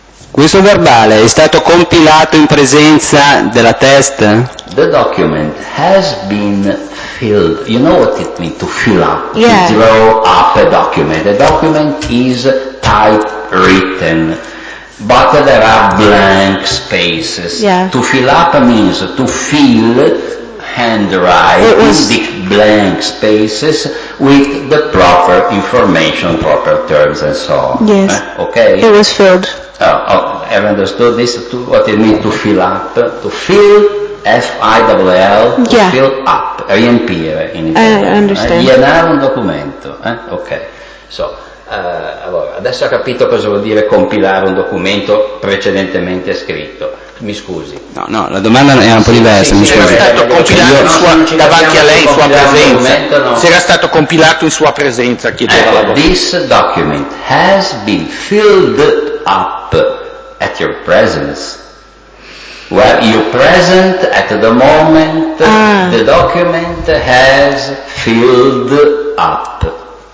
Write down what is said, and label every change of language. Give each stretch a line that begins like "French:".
Italian: Questo verbale è stato compilato in presenza della test?
English: The document has been filled. You know what it means to fill up? Yeah. To draw up a document. The document is typewritten. But there are blank spaces. Yeah. To fill up means to fill handwriting, the blank spaces with the proper information, proper terms and so on. Yes. Okay? It was filled. Oh, I've understood this, what it means to fill up, to fill, F-I-L-L, yeah. Fill up,
Italian: riempire in Italia.
English: I understand.
Spanish: Llenare un documento, eh? Ok.
Italian: So, allora, adesso ho capito cosa vuol dire compilare un documento precedentemente scritto. Mi scusi. No, la domanda era un po' diversa, mi scusi. Se era stato compilato davanti a lei in sua presenza. No. Se era stato compilato in sua presenza, chiedeva la domanda.
English: This document has been filled up at your presence. Well, you present at the moment, the document has filled up.